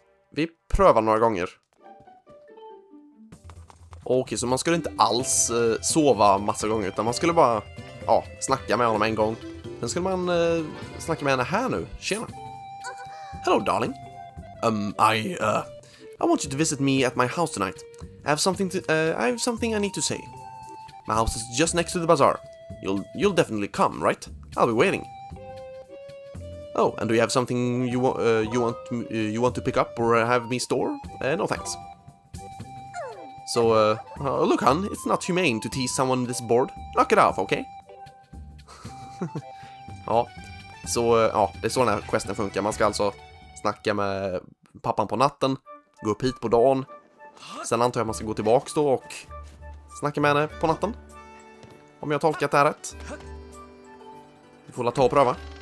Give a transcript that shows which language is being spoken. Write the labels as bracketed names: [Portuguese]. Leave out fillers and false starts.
[Swedish] Vi prövar några gånger. Okej, så man skulle inte alls sova massa gånger, utan man skulle bara snacka med honom en gång. Sen skulle man snacka med henne här nu. Tjena. [English] Hello, darling. I want you to visit me at my house tonight. I have something I need to say. My house is just next to the bazaar. You'll definitely come, right? I'll be waiting. Oh, and do you have something you want to pick up or have me store? No thanks. So, look, hon, it's not humane to tease someone this bored. Knock it off, okay? [Swedish] Ja, så det är så den här questen funkar. Man ska alltså snacka med pappan på natten, gå upp hit på dagen. Sen antar jag att man ska gå tillbaks då och snacka med henne på natten. Om jag har tolkat det här rätt. Vi får ta och pröva.